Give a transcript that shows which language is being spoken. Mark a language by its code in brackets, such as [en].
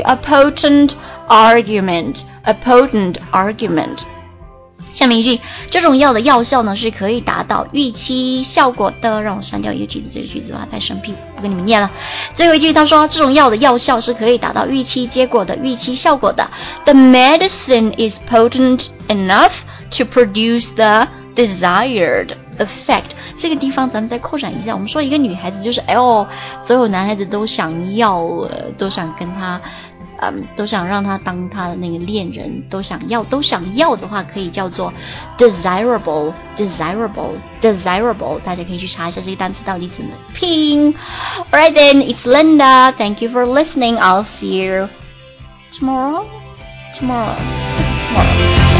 [en] A potent argument. A potent argument. [zh] 下面一句，这种药的药效呢是可以达到预期效果的。让我删掉一个句子，这个句子吧，太生僻，不跟你们念了。最后一句，他说，这种药的药效是可以达到预期结果的，预期效果的。 [en] The medicine is potentenough to produce the desired effect. [zh] 这个地方咱们再扩展一下，我们说一个女孩子就是哎呦，所有男孩子都想要、都想跟她、都想让她当她的那个恋人，都想要，都想要的话可以叫做 desirable, desirable, desirable. 大家可以去查一下这个单词到底怎么拼。 [en] Alright then, it's Linda. Thank you for listening. I'll see you tomorrow.